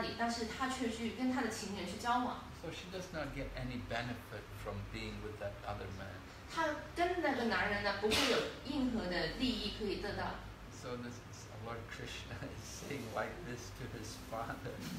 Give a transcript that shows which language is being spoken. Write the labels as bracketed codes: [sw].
[en] So she does not get any benefit from being with that other man. [zh] 他跟那个男人呢，不会有任何的利益可以得到。 [en] So Lord Krishna is saying like this to his father.